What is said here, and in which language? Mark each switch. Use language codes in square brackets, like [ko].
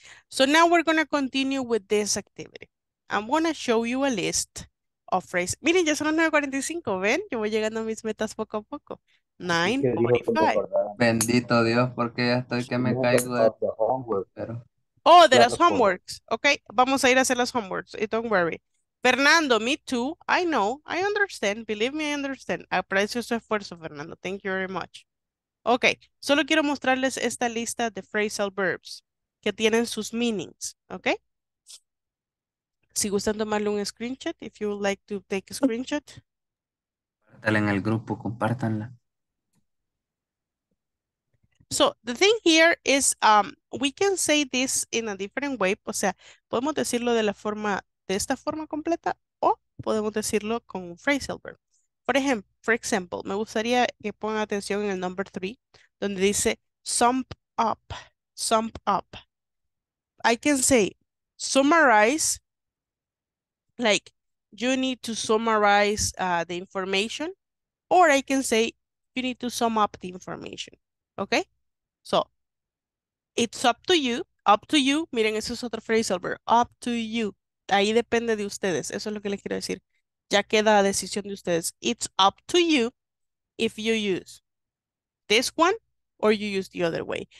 [en] So now we're going to continue with this activity. I'm going to show you a list of phrases. [es] Miren, ya son las 9:45, ¿ven? Yo voy llegando a mis metas poco a poco. 9:45. Bendito Dios, porque ya estoy que me caigo de homework, pero... Oh, de las homeworks. Okay, vamos a ir a hacer las homeworks. [en] Don't worry. Fernando, me too. I know. I understand. Believe me, I understand. [es] Aprecio su esfuerzo, Fernando. [en] Thank you very much. [es] Okay, solo quiero mostrarles esta lista de phrasal verbs que tienen sus meanings, okay? Si gustan tomarle un screenshot, [en] if you would like to take a screenshot. [es] Compártanla en el grupo, compártanla. [en] So, the thing here is, we can say this in a different way. [es] O sea, podemos decirlo de la forma, de esta forma completa, o podemos decirlo con un phrasal verb. [en] For example, [es] me gustaría que pongan atención en el number 3, donde dice, sum up. [en] I can say, summarize, like, you need to summarize the information, or I can say, you need to sum up the information, okay? So, it's up to you, [es] miren, eso es otro phrasal verb, up to you, ahí depende de ustedes, eso es lo que les quiero decir, ya queda la decisión de ustedes, [en] it's up to you if you use this one, or you use the other way.